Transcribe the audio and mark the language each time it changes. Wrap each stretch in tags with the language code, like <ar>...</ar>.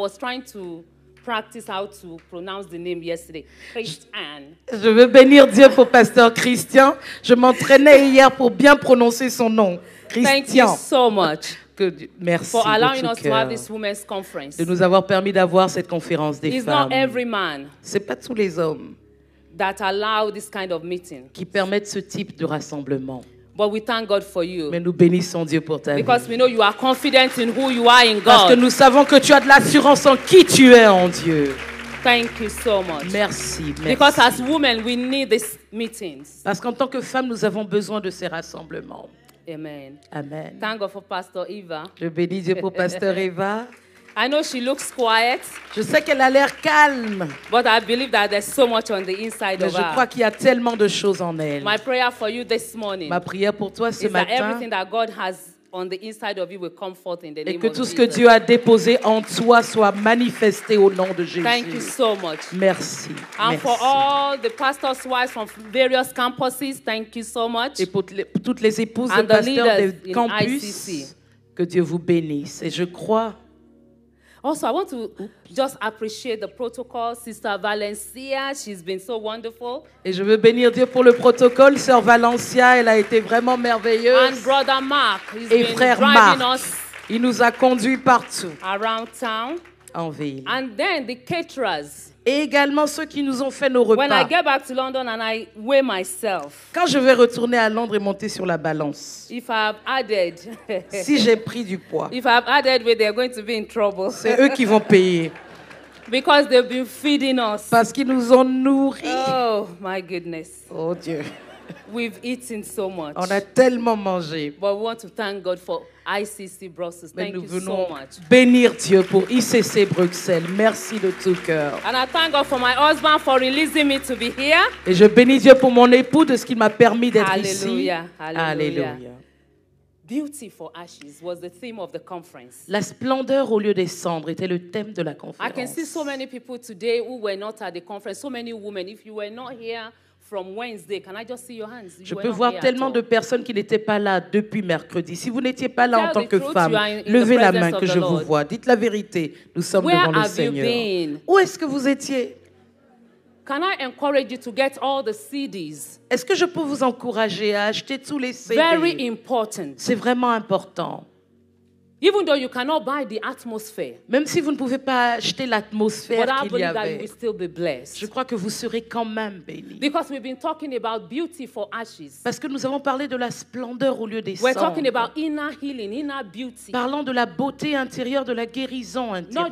<en>I was trying to practice how to pronounce the name yesterday. Christian.</en> <fr>Je veux bénir Dieu pour Pasteur Christian. Je m'entraînais hier pour bien prononcer son nom. Christian.</fr> <en>Thank you so much.</en> <fr>Merci</fr> <en>for allowing us to have this women's conference.</en> <fr>De nous avoir permis d'avoir cette conférence des</fr> <en>It's</en> <fr>femmes.</fr> <en>It's not every man.</en> <fr>C'est pas tous les hommes.</fr> <en>That allow this kind of meeting.</en> <fr>Qui permettent ce type de rassemblement.</fr> <en>But we thank God for you.</en> <fr>Mais nous bénissons Dieu pour ta vie.</fr> <en>Because we know you are confident in who you are in God.</en> <fr>Parce que nous savons que tu as de l'assurance en qui tu es en Dieu.</fr> <en>Thank you so much.</en> <fr>Merci, merci.</fr> <en>Because as women, we need these meetings.</en> <fr>Parce qu'en tant que femmes, nous avons besoin de ces rassemblements. Amen. Amen.</fr> <en>Thank God for Pastor Eva.</en> <fr>Je bénis Dieu pour Pasteur Eva.</fr> <en>I know she looks quiet.</en> <fr>Je sais qu'elle a l'air calme.</fr> <en>But I believe that there's so much on the inside of her.</en> <fr>Je crois qu'il y a tellement de choses en elle.</fr> <en>My prayer for you this morning.</en> <fr>Ma prière pour toi ce matin.</fr> <en>Is that everything that God has on the inside of you will come forth in the name of Jesus.</en> <fr>Et que tout ce que Dieu a déposé en toi soit manifesté au nom de Jésus.</fr> <en>Thank you so much.</en> <fr>Merci.</fr> <en>And for all the pastors' wives from various campuses, thank you so much.</en> <fr>Et pour toutes les épouses de pasteurs des campus, que Dieu vous bénisse. Et je crois.</fr> <en>Also, I want to just appreciate the protocol, Sister Valencia. She's been so wonderful.</en> <fr>Et je veux bénir Dieu pour le protocole, Sœur Valencia. Elle a été vraiment merveilleuse.</fr> <en>And Brother Mark, he's</en> <fr>et frère Mark, il nous a conduits partout.</fr> <en>Around town.</en> <fr>En ville.</fr> <en>And then the caterers.</en> <fr>Et également ceux qui nous ont fait nos repas.</fr> <en>When I get back to London and I weigh myself.</en> <fr>Quand je vais retourner à Londres et monter sur la balance.</fr> <en>If I have added.</en> <fr>Si j'ai pris du poids.</fr> <en>If I have added weight, they are going to be in trouble.</en> <fr>C'est eux qui vont payer.</fr> <en>Because they've been feeding us.</en> <fr>Parce qu'ils nous ont nourris.</fr> <en>Oh my goodness.</en> <fr>Oh Dieu.</fr> <en>We've eaten so much.</en> <fr>On a tellement mangé.</fr> <en>But we want to thank God for ICC Brussels. Thank you so much.</en> <fr>Nous venons bénir Dieu pour ICC Bruxelles. Merci de tout cœur.</fr> <en>And I thank God for my husband for releasing me to be here.</en> <fr>Et je bénis Dieu pour mon époux de ce qu'il m'a permis d'être ici. Alléluia.</fr> <en>Beauty for ashes was the theme of the conference.</en> <fr>La splendeur au lieu des cendres était le thème de la conférence.</fr> <en>I can see so many people today who were not at the conference. So many women. If you were not here from Wednesday, can I just see your hands?</en> <fr>Je peux voir tellement de personnes qui n'étaient pas là depuis mercredi. Si vous n'étiez pas là en tant que femme, levez la main que je vous vois. Dites la vérité. Nous sommes devant le Seigneur. Où est-ce que vous étiez?</fr> <en>Can I encourage you to get all the CDs?</en> <fr>Est-ce que je peux vous encourager à acheter tous les CDs?</fr> <en>Very important.</en> <fr>C'est vraiment important.</fr> <en>Even though you cannot buy the atmosphere.</en> <fr>Même si vous ne pouvez pas acheter l'atmosphère qu'il y avait.</fr> <en>But I believe that you will still be blessed.</en> <fr>Je crois que vous serez quand même béni.</fr> <en>Because we've been talking about beauty for ashes.</en> <fr>Parce que nous avons parlé de la splendeur au lieu des cendres.</fr> <en>We're talking about inner healing, inner beauty.</en> <fr>Parlons de la beauté intérieure, de la guérison intérieure.</fr>